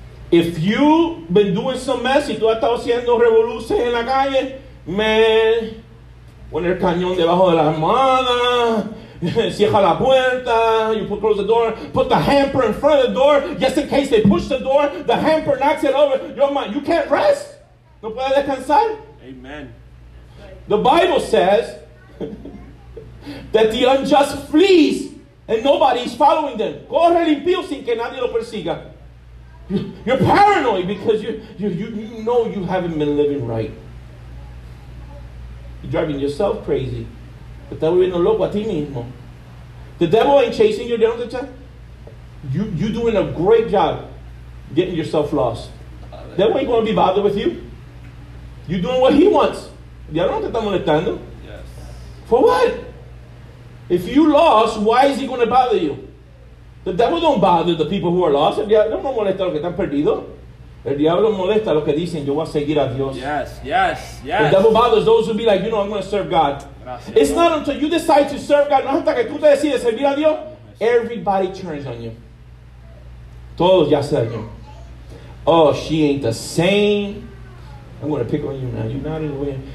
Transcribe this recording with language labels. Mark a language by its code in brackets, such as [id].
[en] If you've been doing some mess, [es] y tú has estado haciendo revoluciones en la calle, [en] man, [es] pon el cañón debajo de la almohada, cierra la puerta, [en] you put close the door, put the hamper in front of the door, just in case they push the door, the hamper knocks it over, you can't rest. [es] No puede descansar. [en] Amen. The Bible says that the unjust flees and nobody is following them. [es] Corre el impío sin que nadie lo persiga. [en] You're paranoid because you know you haven't been living right. You're driving yourself crazy. [es] Te estás volviendo loco a ti mismo. [en] The devil ain't chasing you down the time. You doing a great job getting yourself lost. The devil ain't going to be bothered with you. You're doing what he wants. [es] Ya no te está molestando. [en] Yes. For what? If you lost, why is he going to bother you? The devil don't bother the people who are lost. [es] El diablo no molesta a los que están perdidos. El diablo molesta a los que dicen, yo voy a seguir a Dios. [en] Yes, yes, yes. The devil bothers those who be like, you know, I'm going to serve God. [es] Gracias. [en] It's not until you decide to serve God, [es] no hasta que tú te decides servir a Dios, [en] everybody turns on you. [es] Todos ya se dañan. [en] Oh, she ain't the same. I'm going to pick on you now. You're not in the way.